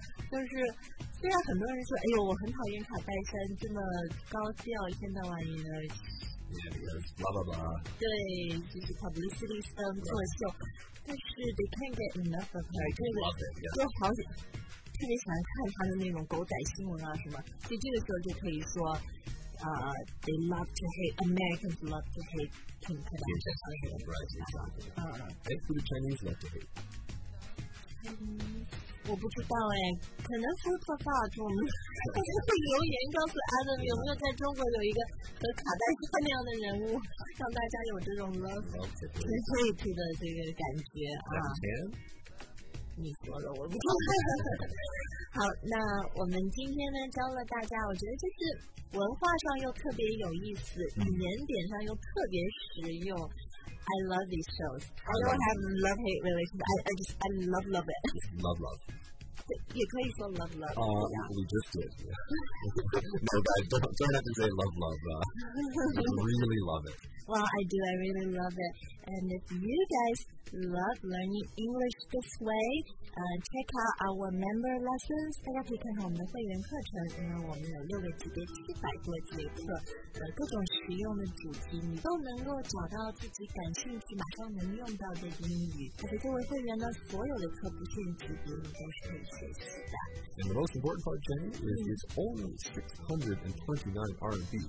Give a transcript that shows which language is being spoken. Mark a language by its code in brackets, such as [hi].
[zh] 就是虽然很多人说，哎呦，我很讨厌卡戴珊这么高调，一天到晚也。对，就是 [en] publicity stunt [zh] 做秀， [en] yeah. [zh] 但是 [en] they can't get enough of her， [zh] 就是说好。特别喜欢看他的那种狗仔新闻啊什么，所以这个时候就可以说。 [en] They love to hate, Americans love to hate Kim Kardashian. Right, exactly. And who do Chinese love to hate? [zh] 我不知道哎，可能是做大众，可能会留言告诉 Adam 有没有在中国有一个和卡戴珊那样的人物，让大家有这种 love to hate 的这个感觉啊。你说了，我不听。好，那我们今天呢教了大家，我觉得这是文化上又特别有意思，语言点上又特别实用。 [en] I love these shows. I don't have love hate relationship. I just love it. Love. [zh] 也可以说 love. [en] We just did. No, don't have to say love. Really love it. Well, I do. I really love it. And if you guys love learning English this way, check out our member lessons. [zh] 大家可以看看我们的会员课程，因为我们有六个级别，700多节课，各种实用的主题，你都能够找到自己感兴趣、马上能用到的英语。而且作为会员的所有的课不限级别，你都是可以学习的。 [en] And the most important part, Jenny, is it's only 629 RMB.